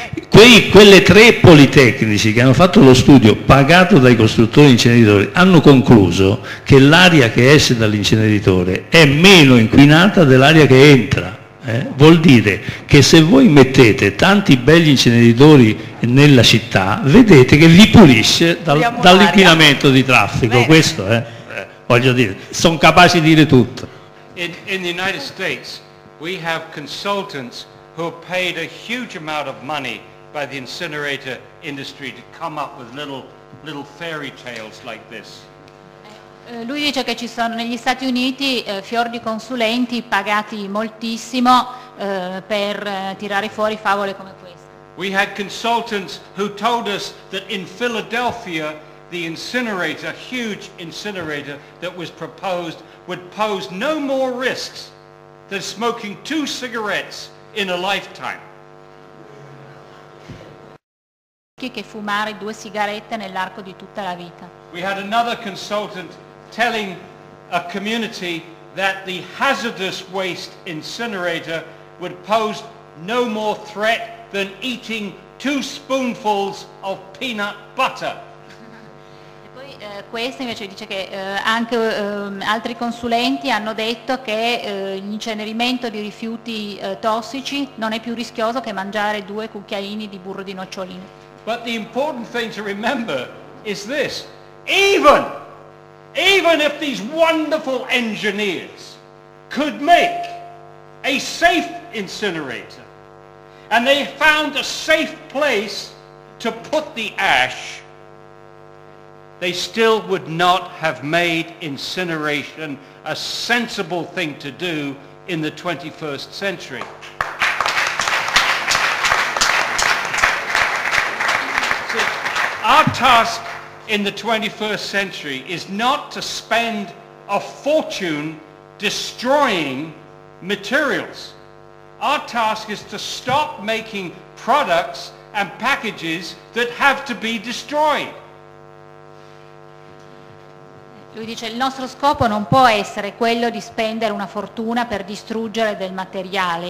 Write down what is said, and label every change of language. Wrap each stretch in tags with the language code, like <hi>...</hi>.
<it>Quelle tre politecnici che hanno fatto lo studio pagato dai costruttori inceneritori hanno concluso che l'aria che esce dall'inceneritore è meno inquinata dell'aria che entra. Vuol dire che se voi mettete tanti belli inceneritori nella città, vedete che vi pulisce dall'inquinamento di traffico. Beh, questo voglio dire, sono capaci di dire tutto.</it> <en>In the United States we have consultants who are paid a huge amount of money by the incinerator industry to come up with little fairy tales like this.</en> <it>Lui dice che ci sono negli Stati Uniti fior di consulenti pagati moltissimo per tirare fuori favole come queste.</it> <en>We had consultants who told us that in Philadelphia the incinerator, huge incinerator that was proposed, would pose no more risks than smoking 2 cigarettes in a lifetime.</en> <it>Che fumare 2 sigarette nell'arco di tutta la vita.</it> <en>We had another consultant telling a community that the hazardous waste incinerator would pose no more threat than eating 2 spoonfuls of peanut butter.</en> <it>E poi questo invece dice che anche altri consulenti hanno detto che l'incenerimento di rifiuti tossici non è più rischioso che mangiare 2 cucchiaini di burro di nocciolino.</it> <en>But the important thing to remember is this: even if these wonderful engineers could make a safe incinerator and they found a safe place to put the ash, they still would not have made incineration a sensible thing to do in the 21st century. So our task in the 21st century is not to spend a fortune destroying materials. Our task is to stop making products and packages that have to be destroyed.</en> <it>Lui dice il nostro scopo non può essere quello di spendere una fortuna per distruggere del materiale.</it>